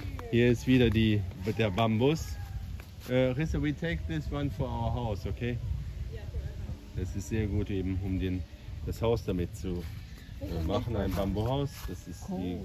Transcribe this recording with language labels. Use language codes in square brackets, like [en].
[de] Hier ist wieder der Bambus. [en] Risse, we take this one for our house, okay? [de] Ja, das ist sehr gut, eben um das Haus damit zu machen. Ein Bambuhaus, das ist cool.